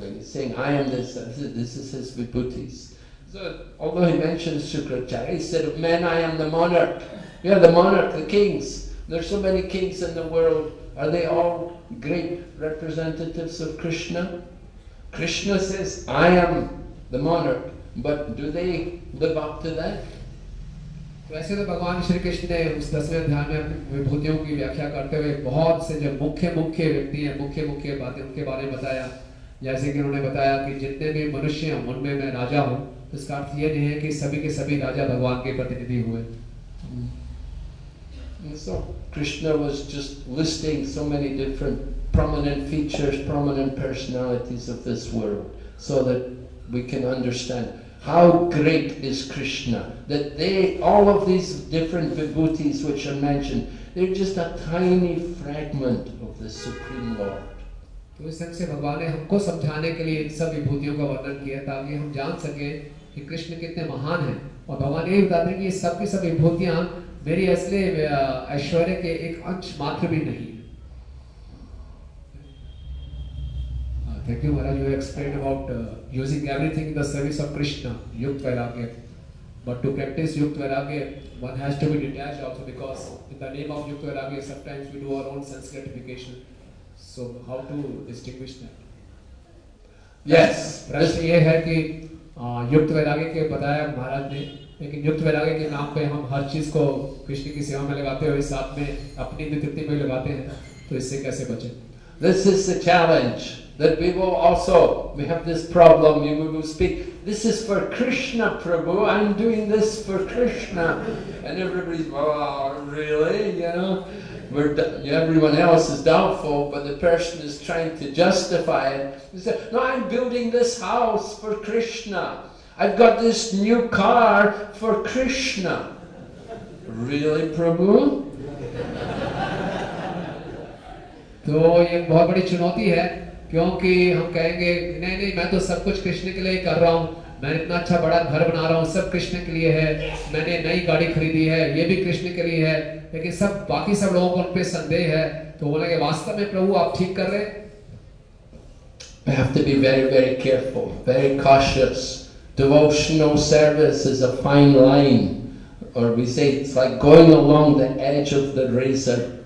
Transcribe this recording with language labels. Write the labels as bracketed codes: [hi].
[en] And he's saying, I am this, this is his vibhutis. So, although he mentions Shukracharya, he said, men, I am the monarch. We are the monarch, the kings. There are so many kings in the world. Are they all great representatives of Krishna? Krishna says, I am the monarch. But do they live up to that? [hi] वैसे तो भगवान श्री कृष्ण ने उस 10वें अध्याय में विभूतियों की व्याख्या करते हुए बहुत से जो मुख्य मुख्य व्यक्ति हैं, मुख्य मुख्य बातें उनके बारे में बताया. जैसे कि उन्होंने बताया कि जितने भी मनुष्य हैं उनमें मैं राजा हूँ, तो इसका अर्थ ये नहीं है कि सभी के सभी राजा भगवान के प्रतिनिधि हुए. [en] So Krishna was just listing so many different prominent features, prominent personalities of this world, so that we can understand how great is Krishna, that they, all of these different vibhutis which are mentioned, they're just a tiny fragment of the Supreme Lord. [hi] तो इस तरह से भगवान ने हमको समझाने के लिए इन सब विभूतियों का वर्णन किया, ताकि हम जान सके कि कृष्ण कितने महान हैं. और भगवान ये बताते हैं कि ये सब की सब विभूतियाँ मेरी असली ऐश्वर्य के एक अंश मात्र भी नहीं. [en] Thank you, Maharaj. You explained about using everything in the service of Krishna, Yukta Vairagya. But to practice Yukta Vairagya, one has to be detached also, because in the name of Yukta Vairagya, sometimes we do our own sense gratification. So how to distinguish that? Yes. [hi] प्रश्न ये है कि युक्त वैराग्य के बताया महाराज ने, लेकिन युक्त वैराग्य के नाम पे हम हर चीज को कृष्ण की सेवा में लगाते हुए साथ में अपनी भी तृप्ति में लगाते हैं, तो इससे कैसे बचे? [en] This is the challenge. That we will also, we have this problem, we will speak, this is for Krishna Prabhu, I'm doing this for Krishna. And everybody's, oh, really, you know? everyone else is doubtful, but the person is trying to justify it. He said, no, I'm building this house for Krishna. I've got this new car for Krishna. Really, Prabhu? [hi] तो ये बहुत बड़ी चुनौती है क्योंकि हम कहेंगे नहीं नहीं मैं तो सब कुछ कृष्ण के लिए कर रहा हूँ मैं इतना अच्छा बड़ा घर बना रहा हूँ सब कृष्ण के लिए है मैंने नई गाड़ी खरीदी है ये भी कृष्ण के लिए है लेकिन सब बाकी सब लोगों को उन पे संदेह है तो बोलेंगे वास्तव में प्रभु आप ठीक कर रहे हैं [en] I have to be very very careful very cautious devotional service is a fine line or we say it's like going along the edge of the razor